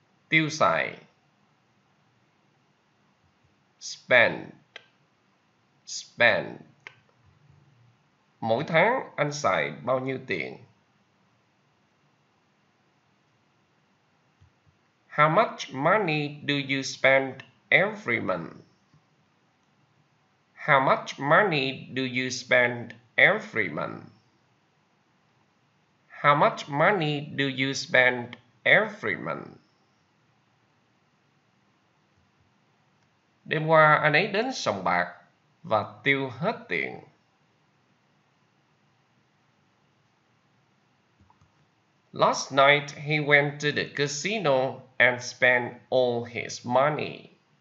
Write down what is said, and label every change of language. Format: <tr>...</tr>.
<vi>Tiêu xài,</vi> <en>spend, spend.</en> <vi>Mỗi tháng anh xài bao nhiêu tiền?</vi> <en>How much money do you spend every month? How much money do you spend every month? How much money do you spend every month?</en> <vi>Đêm qua anh ấy đến sòng bạc và tiêu hết tiền.</vi> <en>Last night he went to the casino and spent all his money.</en>